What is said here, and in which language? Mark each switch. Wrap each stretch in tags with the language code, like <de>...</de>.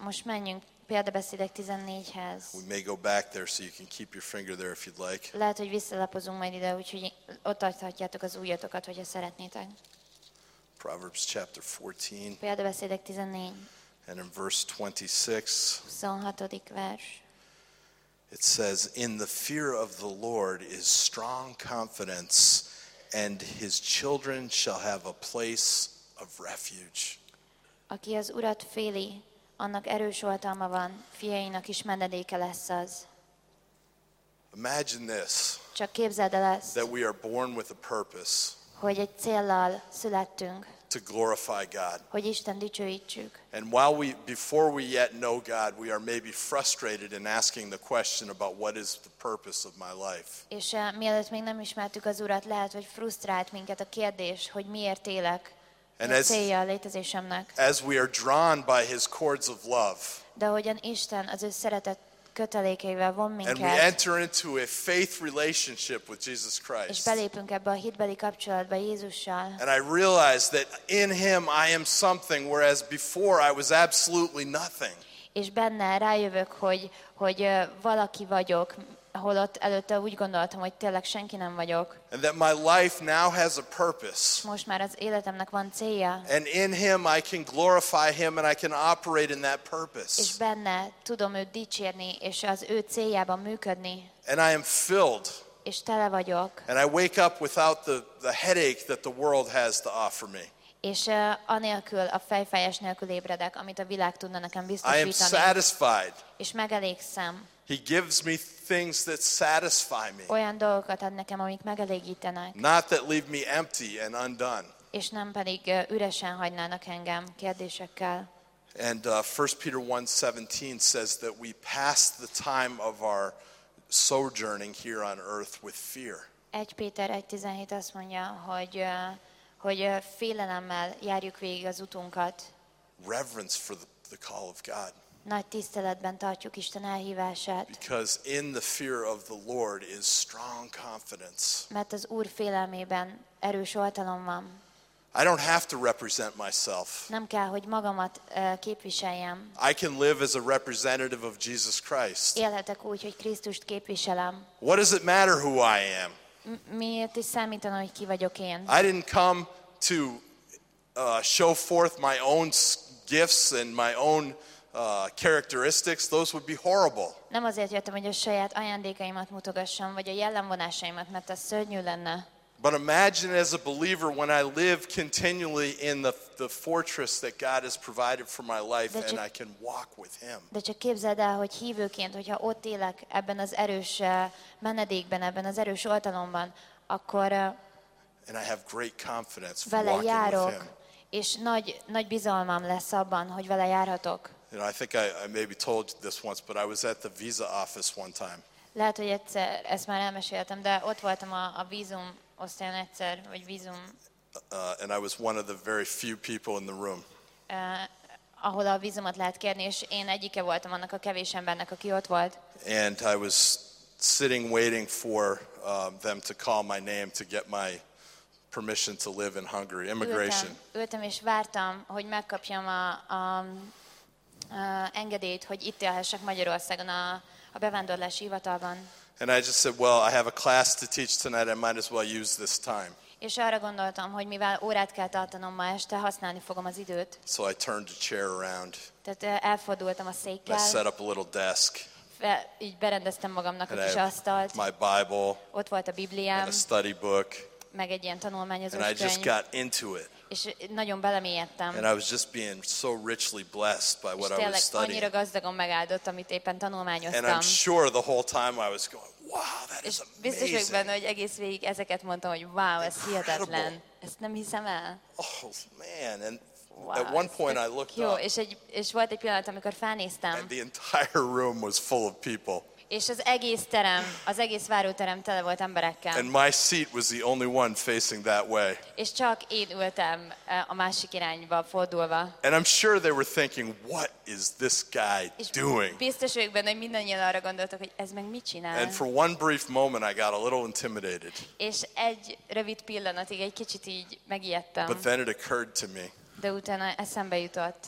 <hu>Most menjünk Példabeszédek 14-hez.</hu> <en>We may go back there so you can keep your finger there if you'd like.</en> <hu>Lehet, hogy visszalapozunk majd ide, úgyhogy ott tarthatjátok az ujjatokat, hogyha szeretnétek.</hu> <en>Proverbs chapter 14.</en> <hu>Példabeszédek 14.</hu> <en>And in verse 26,</en> <hu>26. vers.</hu> <en>It says, "In the fear of the Lord is strong confidence, and his children shall have a place of refuge."</en> <hu>Aki az Urat féli, annak erős oltalma van, fiainak is menedéke lesz az.</hu> <en>Imagine this.</en> <hu>Csak képzeld el ezt.</hu> <en>That we are born with a purpose.</en> <hu>Hogy egy céllal születtünk.</hu> <en>To glorify God.</en> <hu>Hogy Isten dicsőítsük.</hu> <en>And while before we yet know God, we are maybe frustrated in asking the question about what is the purpose of my life.</en> <hu>És mielőtt még nem ismertük az Urat, lehet, hogy frusztrált minket a kérdés, hogy miért élek.</hu> <en>And</en> <hu>mi a célja a létezésemnek.</hu> <en>As we are drawn by his cords of love.</en> <hu>De hogyan Isten az ő szeretet kötelékeivel von minket.</hu> <en>And we enter into a faith relationship with Jesus Christ.</en> <hu>És belépünk ebbe a hitbeli kapcsolatba Jézussal.</hu> <en>And I realize that in him I am something, whereas before I was absolutely nothing.</en> <hu>És benne rájövök, hogy valaki vagyok, holott előtte úgy gondoltam, hogy tényleg senki nem vagyok.</hu> <en>And that my life now has a purpose.</en> <hu>Most már az életemnek van célja.</hu> <en>And in him I can glorify him and I can operate in that purpose.</en> <hu>És benne tudom őt dicsérni és az ő céljában működni.</hu> <en>And I am filled.</en> <hu>és tele vagyok.</hu> <en>And I wake up without the headache that the world has to offer me.</en> <hu>És anélkül, a fejfájás nélkül ébredek, amit a világ tudna nekem biztosítani.</hu> <en>I am satisfied.</en> <hu>És megelégszem.</hu> <en>He gives me things that satisfy me.</en> <hu>Olyan dolgokat ad nekem, amik megelégítenek.</hu> <en>Not that leave me empty and undone.</en> <hu>És nem pedig üresen hagynának engem kérdésekkel.</hu> <en>And 1 Peter 1:17 says that we pass the time of our sojourning here on earth with fear.</en> <hu>1 Péter 1:17 azt mondja, hogy félelemmel járjuk végig az utunkat.</hu> <en>Reverence for the call of God.</en> <hu>Nagy tiszteletben tartjuk Isten elhívását.</hu> <en>Because in the fear of the Lord is strong confidence.</en> <hu>Mert az Úr félelmében erős oltalom van.</hu> <en>I don't have to represent myself.</en> <hu>Nem kell, hogy magamat képviseljem.</hu> <en>I can live as a representative of Jesus Christ.</en> <hu>Élhetek úgy, hogy Krisztust képviselem.</hu> <en>What does it matter who I am?</en> <hu>Miért is számítana, hogy ki vagyok én?</hu> <en>I didn't come to show forth my own gifts and my own characteristics. Those would be horrible.</en> <hu>Nem azért jöttem, hogy a saját ajándékaimat mutogassam, vagy a jellemvonásaimat, mert az szörnyű lenne.</hu> <en>But imagine as a believer when I live continually in the fortress that God has provided for my life and I can walk with him.</en> <hu>De csak képzeld el, hogy hívőként, hogyha ott élek ebben az erős menedékben, ebben az erős oltalomban, akkor</hu> <en>and I have great confidence for walking</en> <hu>járok,</hu> <en>with him.</en> <hu>És nagy bizalmam lesz abban, hogy vele járhatok.</hu> <en>You know, I think I maybe told this once, but I was at the visa office one time.</en> <hu>Lehet, hogy egyszer ezt már elmeséltem, de ott voltam a vízum osztályon egyszer, vagy vízum.</hu> <en>And I was one of the very few people in the room.</en> <hu>Ahol a vízumot lehet kérni, és én egyike voltam annak a kevés embernek, aki ott volt.</hu> <en>And I was sitting waiting for them to call my name to get my permission to live in Hungary, immigration.</en> <hu>Ültem és vártam, hogy megkapjam a engedélyt, hogy itt élhessek Magyarországon a bevándorlási hivatalban.</hu> <en>And I just said, well, I have a class to teach tonight. I might as well use this time.</en> <hu>És arra gondoltam, hogy mivel órát kell tartanom ma este, használni fogom az időt.</hu> <en>So I turned the chair around.</en> <hu>Tehát elfordultam a székkel.</hu> <en>I set up a little desk.</en> <hu>Így berendeztem magamnak a kis asztalt.</hu> <en>My Bible.</en> <hu>Ott volt a Bibliám.</hu> <en>A study book.</en> <hu>Meg egy ilyen tanulmányozó könyv.</hu> <en>And I just got into it.</en> <hu>És nagyon belemélyedtem.</hu> <en>And I was just being so richly blessed by what I was studying.</en> <hu>És annyira gazdagon megáldott, amit éppen tanulmányoztam.</hu> <en>And I'm sure the whole time I was going, wow, that is amazing.</en> <hu>Biztos vagyok benne, hogy egész végig ezeket mondtam, hogy wow,</hu> <en>incredible.</en> <hu>Ez hihetetlen. Ezt nem hiszem el.</hu> <en>Oh, man. And wow, at one point I looked</en> <hu>jó,</hu> <en>up.</en> <hu>És volt egy pillanat, amikor felnéztem.</hu> <en>And the entire room was full of people.</en> <hu>És az egész terem, az egész váróterem tele volt emberekkel.</hu> <en>And my seat was the only one facing that way.</en> <hu>És csak én ültem a másik irányba fordulva.</hu> <en>And I'm sure they were thinking, what is this guy doing?</en> <hu>Biztos vagyok benne, hogy mindannyian arra gondoltak, hogy ez meg mit csinál.</hu> <en>And for one brief moment I got a little intimidated.</en> <hu>És egy rövid pillanatig egy kicsit így megijedtem.</hu> <en>But then it occurred to me.</en> <hu>De utána eszembe jutott.</hu>